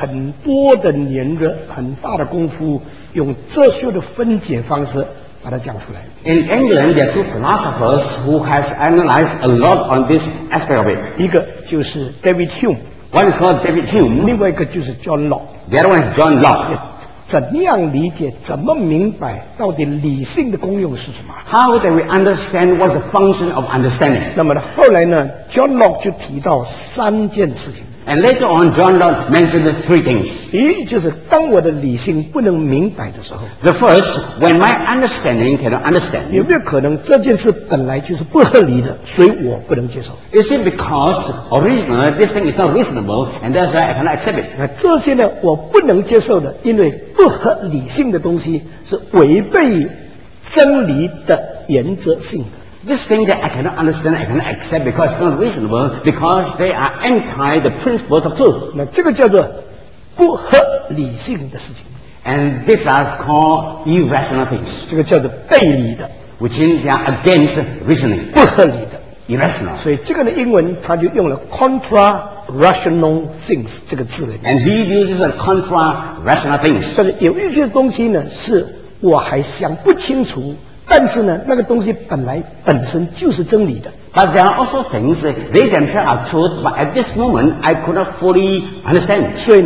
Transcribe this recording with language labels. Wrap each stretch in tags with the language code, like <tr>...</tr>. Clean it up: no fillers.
<zh>英国有两个哲学家曾经花了很多的年月, 很大的功夫, 用哲学的分解方式,</zh> <en>in England, there are two philosophers who has analyzed a lot on this aspect of it.</en> <zh>一个就是 David Hume.</zh> <en>One is called David Hume.</en> <zh>另外一个就是 John Locke.</zh> <en>The other one is John Locke.</en> <zh>怎样理解, 怎么明白, 到底理性的功用是什么?</zh> <en>How do we understand what's the function of understanding?</en> <zh>那么后来呢, John Locke就提到三件事情。</zh> <en>And later on, John Locke mentioned the three things.</en> <zh>一就是当我的理性不能明白的时候,</zh> <en>the first, when my understanding cannot understand,</en> <zh>有没有可能这件事本来就是不合理的, 所以我不能接受?</zh> <en>Is it because originally this thing is not reasonable, and that's why I cannot accept it?</en> <zh>这些呢, 我不能接受的, 因为不合理性的东西是违背真理的原则性的。</zh> <en>This thing that I cannot understand, I cannot accept because it's not reasonable, because they are anti the principles of truth.</en> <zh>那这个叫做不合理性的事情。</zh> <en>And these are called irrational things.</en> <zh>这个叫做背离的。</zh> <en>Which means they are against reasoning.</en> <zh>不合理的。</zh> <en>Irrational.</en> <zh>所以这个的英文它就用了 contra-rational things 这个字。</zh> <en>And he uses a contra-rational things.</en> <zh>但是有一些东西呢,是我还想不清楚, 但是呢,那个东西本来本身就是真理的。</zh> <en>But there are also things that they themselves are truth, but at this moment, I could not fully understand.</en>